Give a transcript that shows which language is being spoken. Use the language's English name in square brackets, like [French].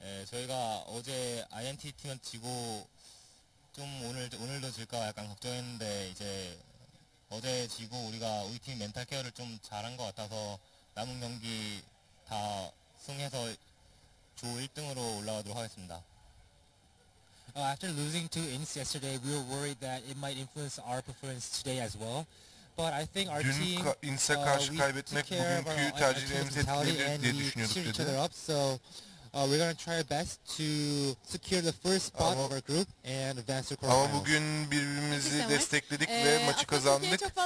[Korean] 저희가 어제 INT 팀을 지고 좀 오늘도 질까 약간 걱정했는데 이제 어제 지고 우리가 우리 팀 멘탈 케어를 좀 잘한 것 같아서 남은 경기 다 승해서 조 1등으로 올라가도록 하겠습니다. [English] After losing to INTZ yesterday, we were worried that it might influence our performance today as well. But I think our team, [Turkish] INTZ'e karşı kaybetmek bugünkü tercihlerimiz etkiledi diye düşünüyorduk dedi. [English] So we're going to try our best to secure the first spot of our group and advance to quarterfinals. [Turkish] Ama bugün birbirimizi destekledik ve maçı kazandık.